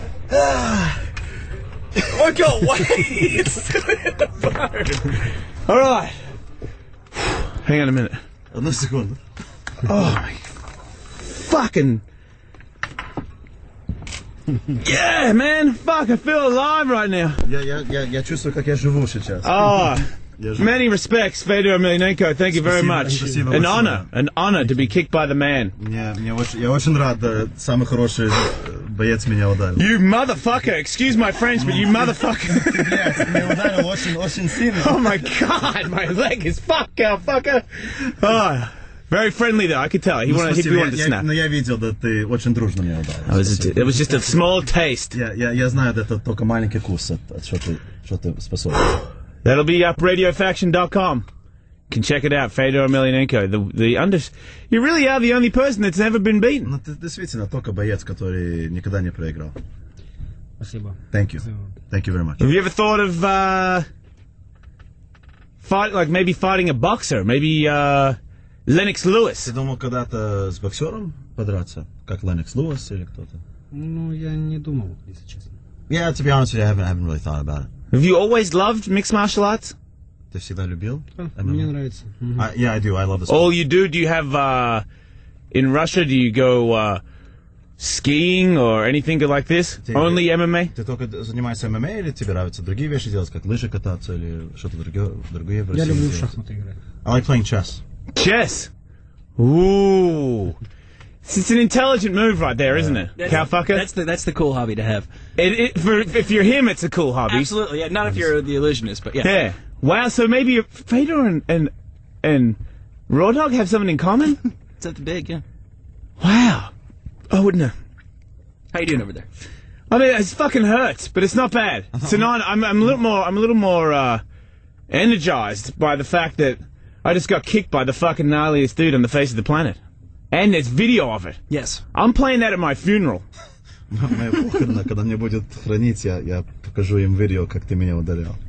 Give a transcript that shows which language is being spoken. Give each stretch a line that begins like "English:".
English: Yeah. Won't go away! It's still in the barn! Alright! Hang on a minute.
Russian: Одну секунду.
English: Oh my... Fucking... Yeah, man, fuck, I feel alive right now.
Russian: Я чувствую, как я живу сейчас.
English: Oh, many respects, Fedor Emelianenko, thank you very much. An honor to be kicked by the man.
Russian: Я очень рад, да, самый хороший боец меня ударил.
English: You motherfucker, excuse my French, but you motherfucker.
Russian: Yeah, меня ударил очень сильно.
English: Oh my god, my leg is fucked out, fucker. Oh. Very friendly though, I could tell. He wanted to snap.
Russian: Но я видел, да, ты очень дружно меня ударил.
English: It was just a small taste.
Russian: Я знаю, это только маленький кус от что ты способен.
English: That'll be up radiofaction.com. You can check it out, Fedor Emelianenko. You really are the only person that's ever been beaten.
Russian: Но ты действительно только боец, который никогда не проиграл. Спасибо.
English: Thank you. Спасибо. Thank you very much. Have you ever thought of fighting a boxer? Maybe Lennox Lewis.
Russian: Ты думал когда-то с боксером подраться, как Lennox Lewis или кто-то? Ну, я не думал, если честно.
English: Yeah, to be honest with you, I haven't really thought about it. Have you always loved mixed martial arts?
Russian: Ты всегда любил? Мне нравится.
English: Mm-hmm. Yeah, I do. I love the sport. All you do? Do you have in Russia? Do you go skiing or anything like this? Only MMA?
Russian: Ты только занимаешься MMA или тебе нравятся другие вещи делать, как лыжи кататься или что-то другое в России? Я люблю в шахматы играть.
English: I like playing chess. Chess! Ooh! It's an intelligent move right there, isn't it? That's Cowfucker? That's the cool hobby to have. If you're him, it's a cool hobby. Absolutely, yeah. Not if you're the illusionist, but yeah. Yeah. Wow, so maybe Fedor and Raw Dog have something in common? Something big, yeah. Wow. I wouldn't have. How you doing over there? I mean, it fucking hurts, but it's not bad. So now I'm a little more energized by the fact that I just got kicked by the fucking gnarliest dude on the face of the planet. And there's video of it. Yes. I'm playing that at my funeral.
Russian: Моя похорона, когда мне будет хранить, я покажу им видео, как ты меня ударил.